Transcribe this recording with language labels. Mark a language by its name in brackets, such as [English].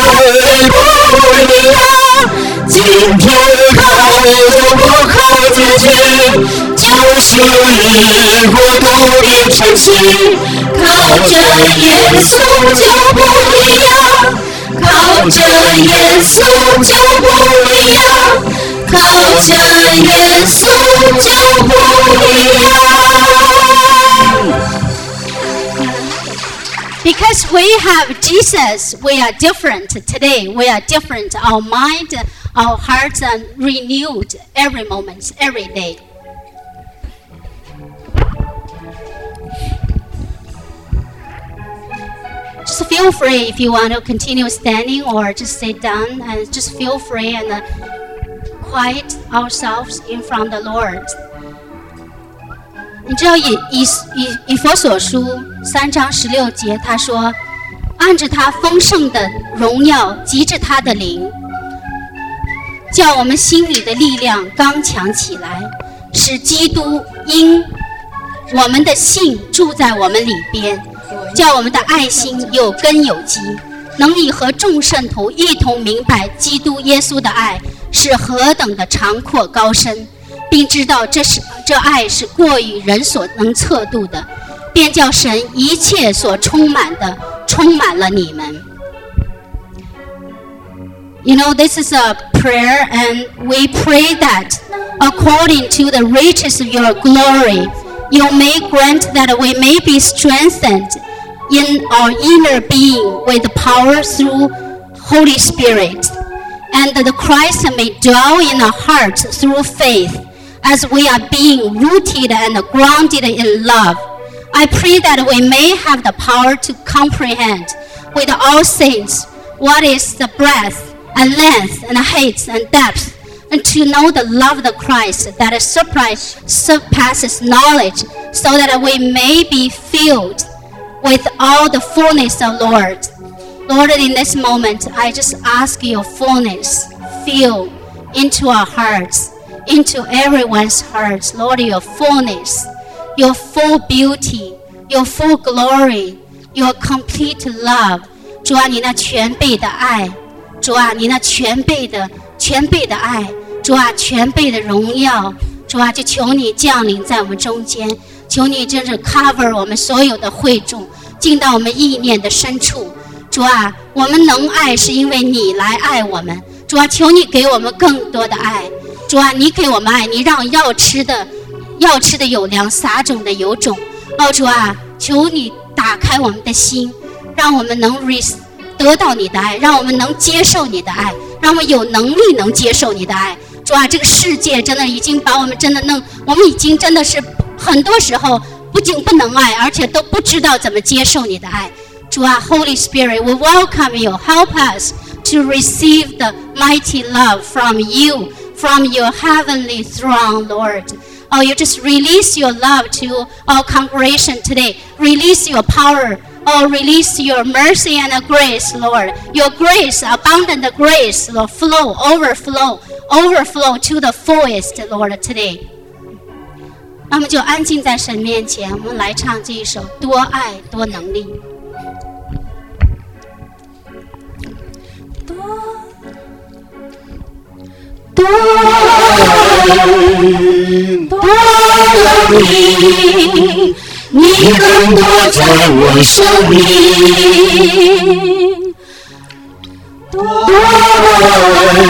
[Chinese] 你不一样，今天靠就不靠自己，就是一股动力之气，靠着耶稣就不一样，靠着耶稣就不一样，靠着耶稣就不一样。 [English] Because we have Jesus, we are different today. We are different. Our mind, our hearts are renewed every moment, every day. Just feel free if you want to continue standing or just sit down and just feel free and quiet ourselves in front of the Lord. [Chinese] 你知道以弗所书三章十六节，他说：“按着他丰盛的荣耀，及着他的灵，叫我们心里的力量刚强起来，使基督因我们的信住在我们里边，叫我们的爱心有根有基，能以和众圣徒一同明白基督耶稣的爱是何等的长阔高深，并知道这爱是过于人所能测度的。” 便叫神一切所充满的充满了你们。 [English] You know, this is a prayer, and we pray that according to the riches of your glory, you may grant that we may be strengthened in our inner being with power through Holy Spirit, and that Christ may dwell in our hearts through faith as we are being rooted and grounded in love. I pray that we may have the power to comprehend with all saints what is the breadth and length and height and depth, and to know the love of the Christ that surpasses knowledge, so that we may be filled with all the fullness of Lord. Lord, in this moment, I just ask your fullness fill into our hearts, into everyone's hearts. Lord, your fullness, your full beauty, your full glory, your complete love. [Chinese] 主啊，你那全备的爱，主啊，你那全备的爱，主啊，全备的荣耀，主啊，就求你降临在我们中间，求你真是 cover 我们所有的会众，进到我们意念的深处。主啊，我们能爱是因为你来爱我们。主啊，求你给我们更多的爱。主啊，你给我们爱，你让要吃的有粮，撒种的有种。哦，主啊，求你打开我们的心，让我们能 得到你的爱，让我们能接受你的爱，让我们有能力能接受你的爱。主啊，这个世界真的已经把我们真的弄，我们已经真的是很多时候不仅不能爱，而且都不知道怎么接受你的爱。主啊， [English] Holy Spirit, we welcome you. Help us to receive the mighty love from you, from your heavenly throne, Lord. Oh, you just release your love to our congregation today. Release your power. Oh, release your mercy and grace, Lord. Your grace, abundant grace, Lord, overflow to the fullest, Lord, today. [Chinese] 那么就安静在神面前，我们来唱这一首《多爱多能力》。多爱多能力，你更多在我生命。